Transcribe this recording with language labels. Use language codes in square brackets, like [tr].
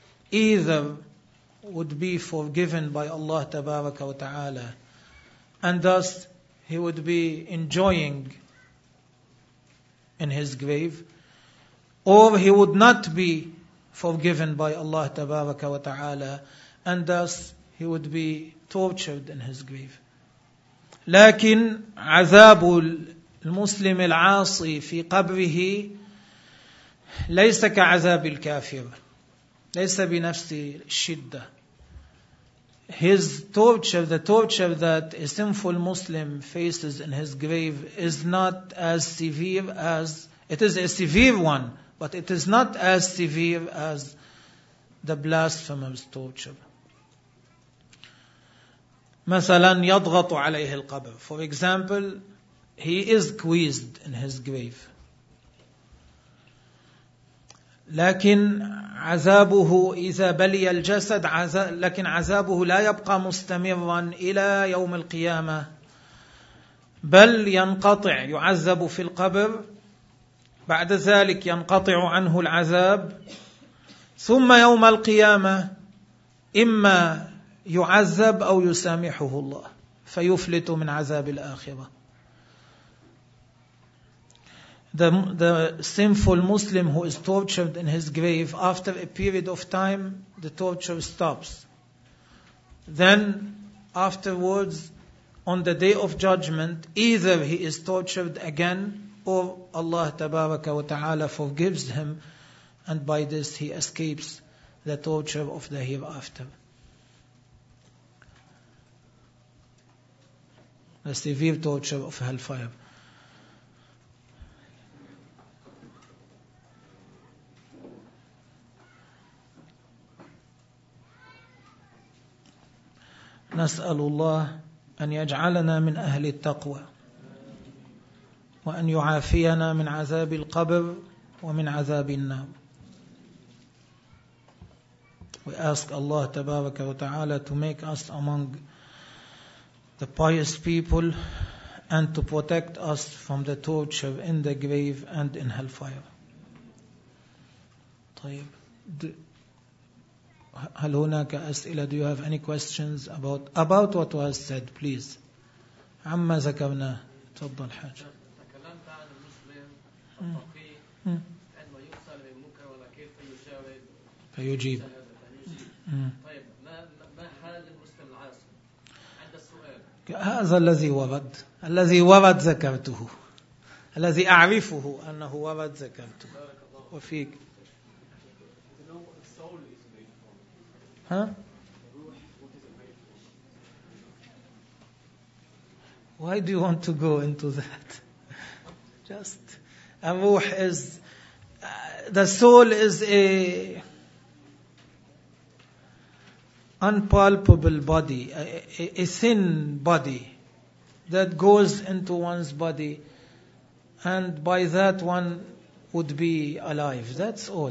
[en] either would be forgiven by Allah Tabaraka wa Ta'ala, and thus he would be enjoying in his grave, or he would not be forgiven by Allah Tabaraka wa Ta'ala, and thus he would be tortured in his grave. [ar] لكن عذاب المسلم العاصي في قبره ليس كعذاب الكافر. ليس بنفس الشدة. [en] His torture, the torture that a sinful Muslim faces in his grave, is not as severe as, it is a severe one, but it is not as severe as the blasphemer's torture. [ar] مثلا يضغط عليه القبر. [en] For example, he is squeezed in his grave. [ar] لكن عذابه إذا بلي الجسد لكن عذابه لا يبقى مستمرا إلى يوم القيامة بل ينقطع. يعذب في القبر بعد ذلك ينقطع عنه العذاب ثم يوم القيامة إما يعذب أو يسامحه الله فيفلت من عذاب الآخرة. [en] The sinful Muslim who is tortured in his grave, after a period of time, the torture stops. Then, afterwards, on the Day of Judgment, either he is tortured again, or Allah Tabaraka wa Ta'ala forgives him, and by this he escapes the torture of the hereafter. The severe torture of hellfire. [ar] نسأل الله أن يجعلنا من أهل التقوى وأن يعافينا من عذاب القبر ومن عذاب النار. [en] We ask Allah [ar] تبارك وتعالى [en] to make us among the pious people and to protect us from the torture in the grave and in hellfire. [ar] طيب. هل هناك أسئلة? [en] Do you have any questions about what was said, please? [ar] عما ذكرنا تفضل حاجة. تكلمت عن المسلم التقي عندما يُسأل من المنكر ولا كيف يجاوب فيجيب. طيب ما حال المسلم العاصي عند السؤال هذا الذي ورد، الذي ورد ذكرته، الذي أعرفه أنه ورد ذكرته. وفيك ها؟ [en] Why do you want to go into that? Just a ruh is the soul is a unpalpable body, a thin body that goes into one's body, and by that one would be alive. That's all.